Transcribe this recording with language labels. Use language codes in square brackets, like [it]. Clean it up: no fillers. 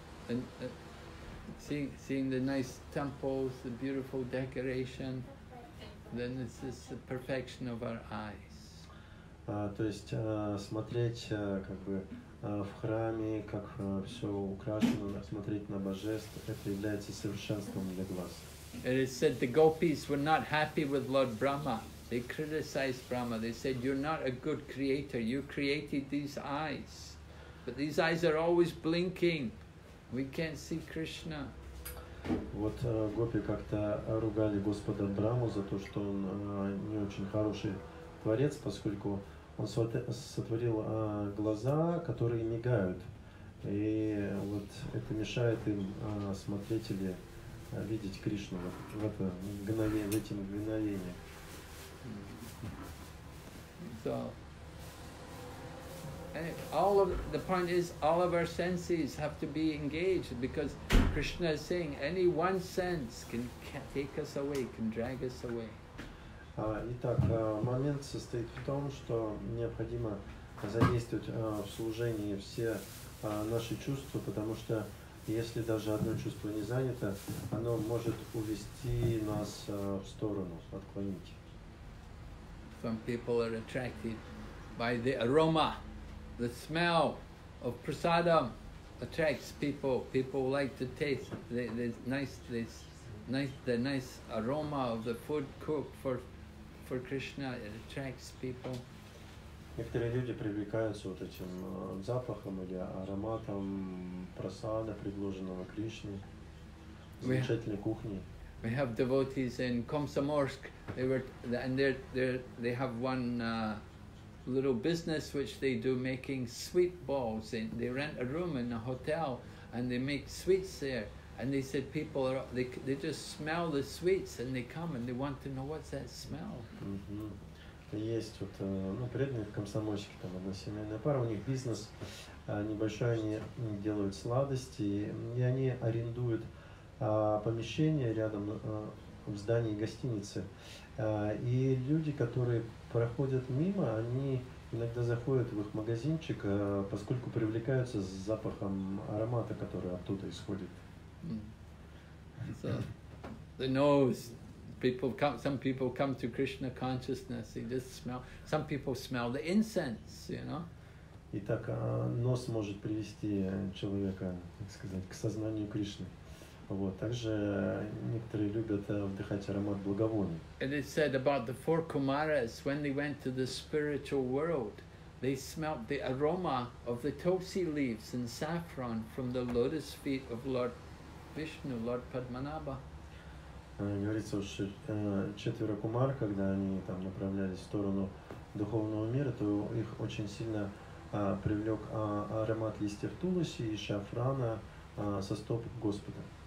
[en] and seeing the nice temples, the beautiful decoration, then it's just the perfection of our eyes. [ru] То есть смотреть как бы в храме, как все украшено, смотреть на божеств, это является совершенством для глаз. [en] It is said the gopis were not happy with Lord Brahma. They criticized Brahma. They said, "You're not a good creator. You created these eyes, but these eyes are always blinking. We can't see Krishna." [ru] Вот гопи как-то ругали Господа Брахму за то, что он не очень хороший творец, поскольку он сотворил глаза, которые мигают, и вот это мешает им смотреть или видеть Кришну в эти мгновения. [en] So, all of the point is all of our senses have to be engaged, because Krishna is saying any one sense can take us away, can drag us away. [ru] Итак, момент состоит в том, что необходимо задействовать в служении все наши чувства, потому что если даже одно чувство не занято, оно может увести нас в сторону, отклонить. [en] Some people are attracted by the aroma, the smell of prasadam attracts people. People like to taste the nice aroma of the food cooked for Krishna. It attracts people. [ru] Некоторые люди привлекаются вот этим запахом или ароматом прасада, предложенного Кришне, замечательной кухни. [en] We have devotees in Komsomorsk. They have one little business which they do, making sweet balls. They rent a room in a hotel and they make sweets there. And they said people are, they just smell the sweets and they come and they want to know what's that smell. [ru] Есть вот преданные комсомольщики, там одна семейная пара, у них бизнес небольшой, они делают сладости, и они арендуют помещение рядом в здании гостиницы. И люди, которые проходят мимо, они иногда заходят в их магазинчик, поскольку привлекаются с запахом аромата, который оттуда исходит. [en] So, the nose. Some people come to Krishna consciousness, they just smell. Some people smell the incense, you know. [ru] Итак, нос может привести человека, так сказать, к сознанию Кришны. Вот. Также некоторые любят вдыхать аромат благовоний. [en] It is said about the four Kumaras, when they went to the spiritual world, they smelt the aroma of the tulsi leaves and saffron from the lotus feet of Lord Vishnu, Lord Padmanabha. [ru] Говорится, что четверо кумар, когда они там направлялись в сторону духовного мира, то их очень сильно привлек аромат листьев тулоси и шафрана со стоп Господа.